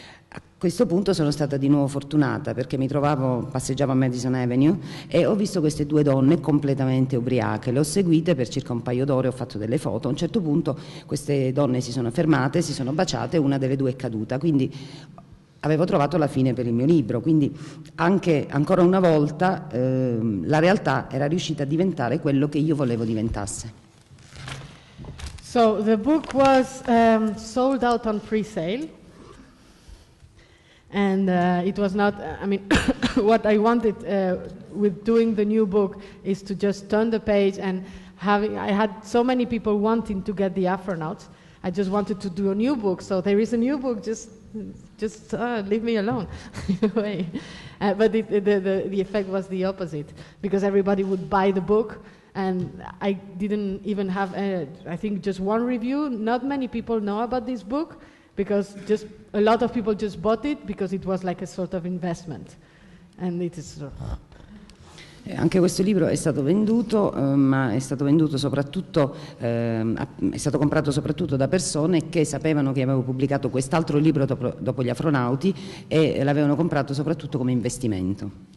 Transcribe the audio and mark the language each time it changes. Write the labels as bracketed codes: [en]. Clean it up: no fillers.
[it] A questo punto sono stata di nuovo fortunata perché passeggiavo a Madison Avenue e ho visto queste due donne completamente ubriache, le ho seguite per circa un paio d'ore, ho fatto delle foto, a un certo punto queste donne si sono fermate, si sono baciate, una delle due è caduta, quindi avevo trovato la fine per il mio libro, quindi anche ancora una volta la realtà era riuscita a diventare quello che io volevo diventasse. [en] So the book was sold out on pre-sale. And it was not, I mean, what I wanted with doing the new book is to just turn the page and having, I had so many people wanting to get the Afronauts. I just wanted to do a new book, so there is a new book, just leave me alone. But the effect was the opposite, because everybody would buy the book, and I didn't even have, I think, just one review. Not many people know about this book, because just a lot of people just bought it because it was like a sort of investment. And it is... [it] Anche questo libro è stato venduto, ma è stato venduto soprattutto, è stato comprato soprattutto da persone che sapevano che avevo pubblicato quest'altro libro dopo gli Afronauti e l'avevano comprato soprattutto come investimento.